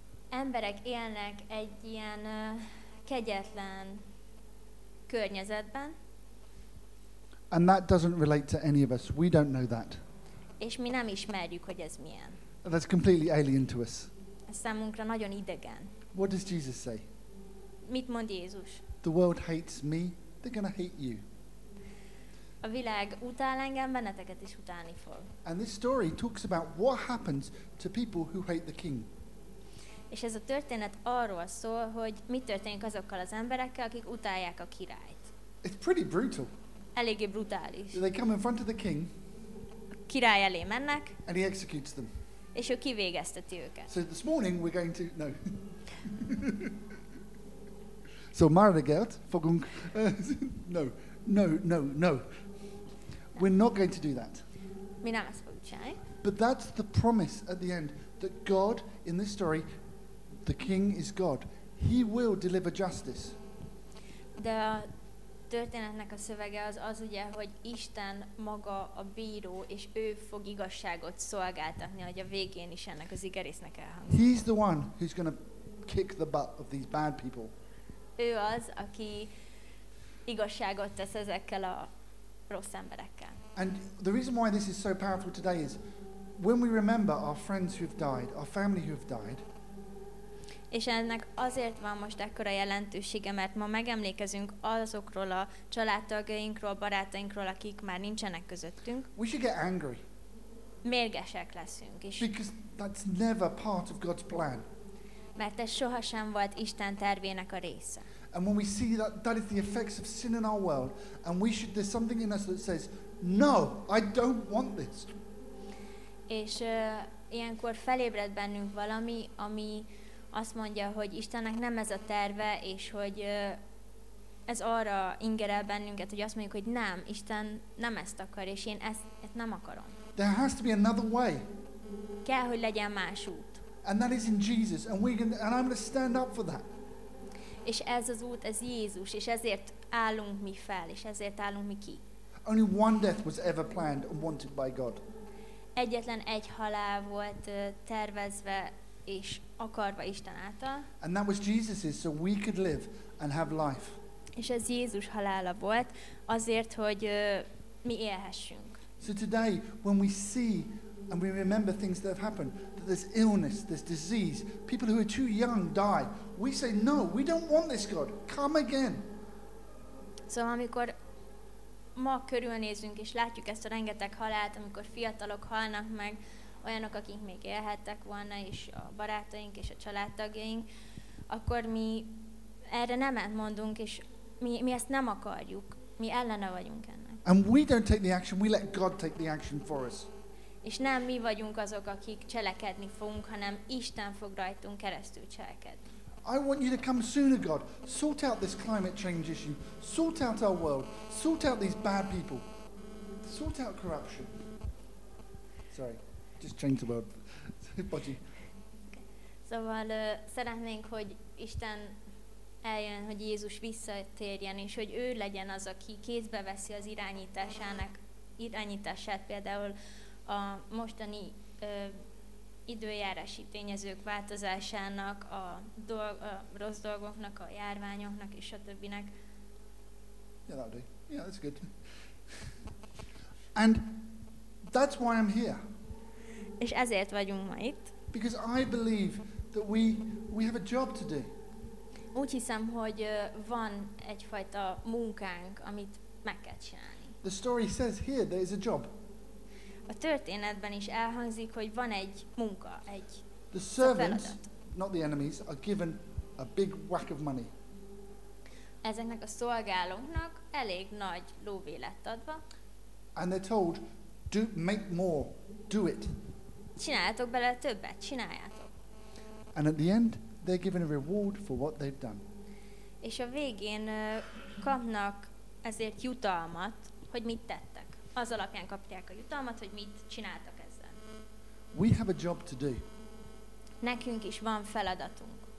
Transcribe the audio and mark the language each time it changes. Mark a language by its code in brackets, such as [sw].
[hu] Emberek élnek egy ilyen kegyetlen környezetben. [en] And that doesn't relate to any of us. We don't know that. [hu] És mi nem ismerjük, hogy ez milyen. [en] That's completely alien to us. [hu] A számunkra nagyon idegen. [en] What does Jesus say? [hu] Mit mond Jézus? [en] The world hates me, they're going to hate you. [hu] A világ utál engem, benneteket is utálni fog. [en] And this story talks about what happens to people who hate the king. [hu] És ez a történet arról szól, hogy mi történik azokkal az emberekkel, akik utálják a királyt. [en] It's pretty brutal. [hu] Eléggé brutális. [en] They come in front of the king. [hu] A király elé mennek. [en] And he executes them. [hu] És ő kivégezteti őket. [en] So this morning we're going to... No. So Margaret, [hu] fogunk. [en] No. We're not going to do that. [hu] Mi nem ezt fogunk csinálni. [en] But that's the promise at the end, that God in this story, the king is God. He will deliver justice. [hu] De a történetnek a szövege az az ugye, hogy Isten maga a bíró, és ő fog igazságot szolgáltatni, hogy a végén is ennek az igerésznek elhangzik. [en] He's the one who's going to kick the butt of these bad people. [hu] ő az, aki igazságot tesz ezekkel a rossz emberekkel. [en] And the reason why this is so powerful today is when we remember our friends who've died, our family who've died. [hu] És ennek azért van most ekkora jelentősége, mert ma megemlékezünk azokról a családtagjainkról, barátainkról, akik már nincsenek közöttünk. [en] We should get angry. [hu] Mérgesek leszünk is. [en] Because that's never part of God's plan. [hu] Mert ez sohasem volt Isten tervének a része. [en] And when we see that that is the effects of sin in our world, and we should, there's something in us that says, no, I don't want this. [hu] És ilyenkor felébred bennünk valami, ami azt mondja, hogy Istennek nem ez a terve, és hogy ez arra ingerel bennünket, hogy azt mondjuk, hogy nem, Isten nem ezt akar, és én ezt nem akarom. [en] There has to be another way. [hu] Kell, hogy legyen más út. [en] And that is in Jesus, and I'm going to stand up for that. [hu] És ez az út, ez Jézus, és ezért állunk mi fel, és ezért állunk mi ki. [en] Only one death was ever planned and wanted by God. [hu] Egyetlen egy halál volt tervezve és akarva Isten által. [en] And that was Jesus's, so we could live and have life. [hu] És ez Jézus halála volt, azért, hogy mi élhessünk. [en] So today, when we see and we remember things that have happened, that there's illness, there's disease, people who are too young die, we say, no, we don't want this, God. Come again. [hu] Szóval amikor ma körülnézünk és látjuk ezt a rengeteg halált, amikor fiatalok halnak meg, olyanok, akik még élhettek volna, és a barátaink és a családtagjaink, akkor mi erre nem mondunk, és mi ezt nem akarjuk. Mi ellene vagyunk ennek. [en] And we don't take the action, we let God take the action for us. [hu] És nem mi vagyunk azok, akik cselekedni fogunk, hanem Isten fog rajtunk keresztül cselekedni. [en] I want you to come sooner, God. Sort out this climate change issue. Sort out our world. Sort out these bad people. Sort out corruption. Sorry. Just change the word. Budgie. [hu] Szóval szeretnénk, hogy Isten eljön, hogy Jézus visszatérjen, és hogy ő legyen az, aki kézbe veszi az irányítását, például a mostani időjárási tényezők változásának, a rossz dolgoknak, a járványoknak, és a többinek. [en] Yeah, that'll do. Yeah, that's good. And that's why I'm here. [hu] És ezért vagyunk ma itt. [en] Because I believe that we have a job to do. [hu] Úgy hiszem, hogy van egyfajta munkánk, amit meg kell csinálni. [en] The story says here there is a job. [hu] A történetben is elhangzik, hogy van egy munka, egy feladat. [en] The servants, not the enemies, are given a big whack of money. [hu] Ezeknek a szolgálóknak elég nagy lóvé lett adva. [en] And they're told, do make more, do it. [hu] Csináljátok bele többet, csináljátok. [en] And at the end, they're given a reward for what they've done. [hu] És a végén kapnak ezért jutalmat, hogy mit tettek. Az alapján kapják a jutalmat, hogy mit csináltak ezzel. [en] We have a job to do. [hu] Nekünk is van feladatunk.